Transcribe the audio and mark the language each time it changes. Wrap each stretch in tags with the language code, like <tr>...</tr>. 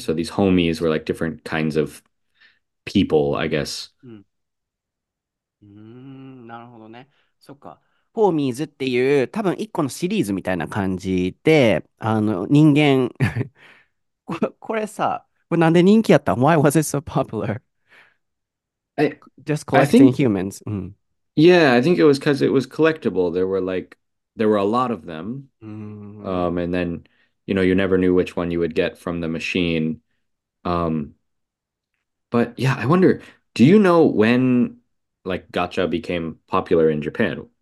<en>So these homies were like different kinds of people, I guess.</en> <ja>なるほどね。そっか。ホーミーズっていう多分一個のシリーズみたいな感じで、あの人間これさ、これなんで人気やったん?</ja> <en>Why was it so popular? Just collecting humans. Yeah, I think it was because it was collectible. There were like, there were a lot of them. And then, you know, you never knew which one you would get from the machine. But yeah, I wonder, do you know when like gacha became popular in Japan?</en>